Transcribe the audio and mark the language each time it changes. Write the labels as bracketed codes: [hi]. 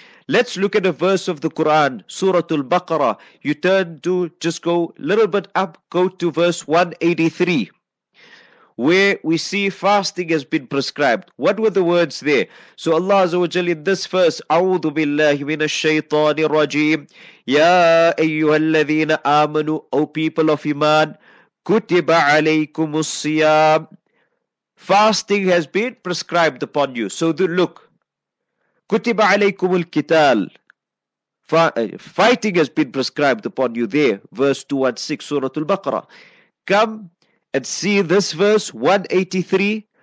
[en] Let's look at a verse of the Quran, Surah Al-Baqarah. You turn to, just go a little bit up, go to verse 183, where we see fasting has been prescribed. What were the words there? So Allah Azza wa Jal in this verse, [ar] أعوذ بالله من الشيطان الرجيم. يا أيها الذين آمنوا, [en] O people of Iman, [ar] كُتِبَ عَلَيْكُمُ الصِّيَامِ. [en] Fasting has been prescribed upon you. So look. [ar] كُتِبَ عَلَيْكُمُ الْكِتَالِ. [en] Fighting has been prescribed upon you there. Verse 216, Surah Al-Baqarah. Come and see this verse 183.